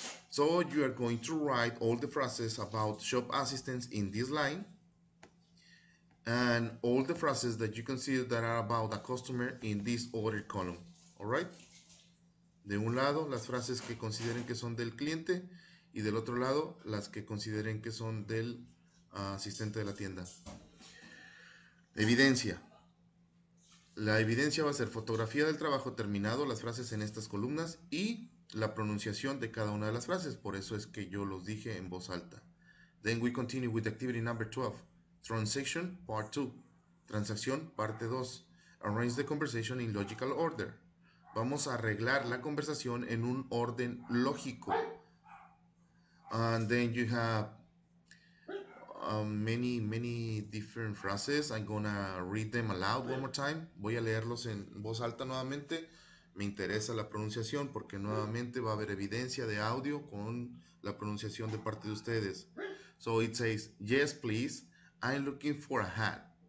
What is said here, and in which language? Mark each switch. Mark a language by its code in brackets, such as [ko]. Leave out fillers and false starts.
[en] So you are going to write all the phrases about shop assistants in this line, and all the phrases that you consider that are about a customer in this other column. Alright? [es] De un lado, las frases que consideren que son del cliente, y del otro lado, las que consideren que son del asistente de la tienda. Evidencia. La evidencia va a ser fotografía del trabajo terminado, las frases en estas columnas y la pronunciación de cada una de las frases. Por eso es que yo los dije en voz alta. [en] Then we continue with activity number 12. Transaction part 2. [es] Transacción parte 2. [en] Arrange the conversation in logical order. [es] Vamos a arreglar la conversación en un orden lógico. [en] And then you have many different phrases. I'm gonna read them aloud one more time. [es] Voy a leerlos en voz alta nuevamente. Me interesa la pronunciación porque nuevamente va a haber evidencia de audio con la pronunciación de parte de ustedes. [en] So it says, yes, please, I'm looking for a hat.